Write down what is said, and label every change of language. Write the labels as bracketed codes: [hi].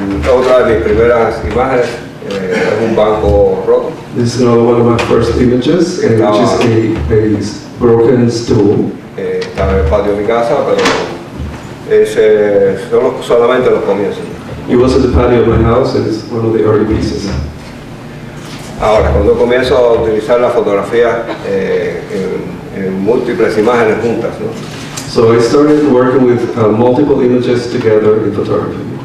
[es] Otra de mis primeras imágenes es un banco roto. [en] This is another one of my first images, and which is a broken stool. [es] Estaba en el patio de mi casa, pero ese solamente los comienzos. [en] It was at the patio of my house, and it's one of the early pieces. [es] Ahora, cuando comienzo a utilizar la fotografía en múltiples imágenes juntas, ¿no? [en] So I started working with multiple images together in photography.